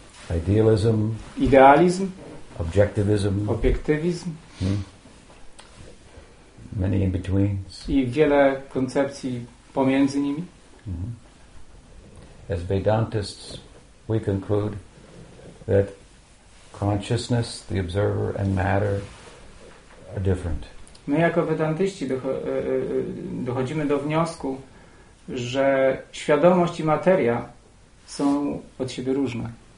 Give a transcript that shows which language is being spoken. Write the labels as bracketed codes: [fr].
[en] Idealism. [pl] Idealizm. [en] Objectivism. [pl] Obiektywizm. [en] Many in between. [pl] I wiele koncepcji pomiędzy nimi. [en] As Vedantists, we conclude that consciousness, the observer, and matter are different. [pl] My jako Vedantyści dochodzimy do wniosku, że świadomość i materia są od siebie różne.